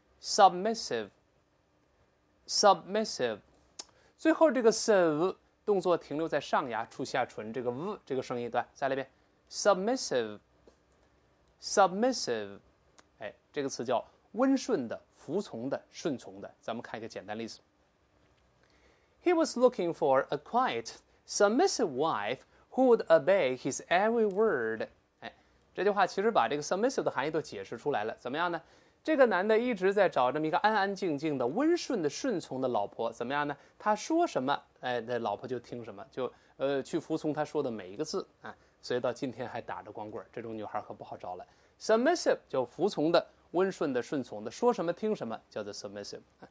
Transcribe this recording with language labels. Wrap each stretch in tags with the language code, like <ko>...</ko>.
<zh>submissive，submissive，最后这个 sev 动作停留在上牙触下唇，这个 v 这个声音段，再来一遍 submissive，submissive，哎，这个词叫温顺的、服从的、顺从的。咱们看一个简单例子：</zh> <en>He was looking for a quiet, submissive wife who would obey his every word。</en> <zh>哎，这句话其实把这个 submissive 的含义都解释出来了，怎么样呢？这个男的一直在找这么一个安安静静的、温顺的、顺从的老婆，怎么样呢？他说什么，哎，那老婆就听什么，就去服从他说的每一个字啊。所以到今天还打着光棍，这种女孩可不好找了。Submissive 就服从的、温顺的、顺从的，说什么听什么，叫做 submissive。</zh>